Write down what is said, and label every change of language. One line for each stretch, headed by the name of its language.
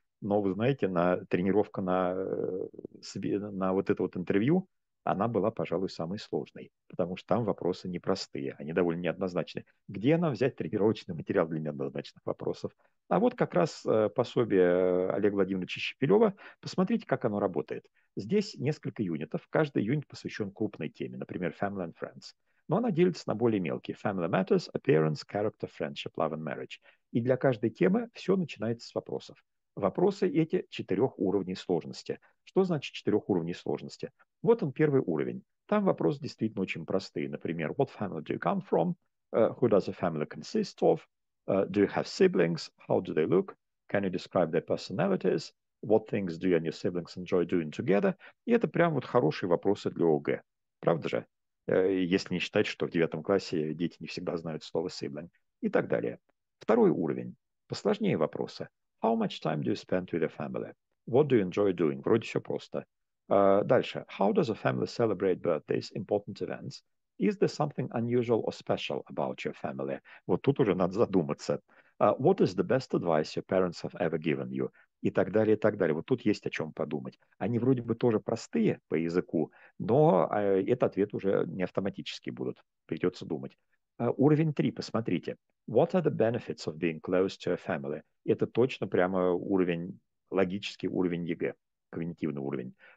Russian: Но вы знаете, на тренировка на вот это вот интервью, она была, пожалуй, самой сложной, потому что там вопросы непростые, они довольно неоднозначные. Где нам взять тренировочный материал для неоднозначных вопросов? А вот как раз пособие Олега Владимировича Шепелева. Посмотрите, как оно работает. Здесь несколько юнитов. Каждый юнит посвящен крупной теме, например, Family and Friends. Но она делится на более мелкие.
English: Family Matters, Appearance, Character, Friendship, Love and Marriage.
Russian: И для каждой темы все начинается с вопросов. Вопросы эти четырех уровней сложности. Что значит четырех уровней сложности? Вот он, первый уровень. Там вопросы действительно очень простые.
English: Например, what family do you come from? Who does a family consist of? Do you have siblings? How do they look? Can you describe their personalities? What things do you and your siblings enjoy doing together?
Russian: И это прям вот хорошие вопросы для ОГЭ. Правда же? Если не считать, что в 9 классе дети не всегда знают слово sibling. И так далее. Второй уровень. Посложнее вопросы.
English: How much time do you spend with your family? What do you enjoy doing?
Russian: Вроде все просто. Дальше.
English: How does a family celebrate birthdays, important events? Is there something unusual or special about your family?
Russian: Вот тут уже надо задуматься.
English: What is the best advice your parents have ever given you?
Russian: И так далее, и так далее. Вот тут есть о чем подумать. Они вроде бы тоже простые по языку, но этот ответ уже не автоматически будут. Придется думать. Уровень 3, посмотрите.
English: What are the benefits of being close to your family?
Russian: Это точно прямо уровень, логический уровень ЕГЭ, когнитивный уровень.